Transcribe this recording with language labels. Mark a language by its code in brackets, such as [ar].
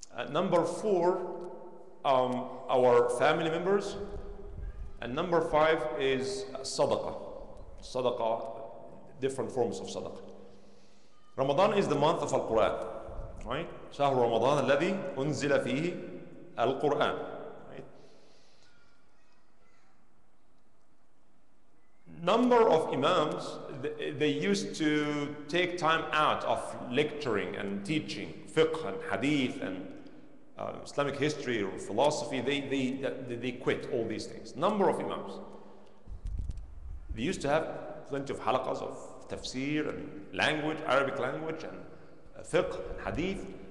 [en] Number four, our family members. And number five is Sadaqah. Sadaqah, different forms of Sadaqah. Ramadan is the month of Al-Qur'an. [ar] Right, شهر رمضان الذي أنزل فيه القرآن. [en] Number of imams, they used to take time out of lecturing and teaching fiqh and hadith and Islamic history or philosophy. They quit all these things. Number of imams, they used to have plenty of halaqas of tafsir and language, Arabic language and fiqh and hadith.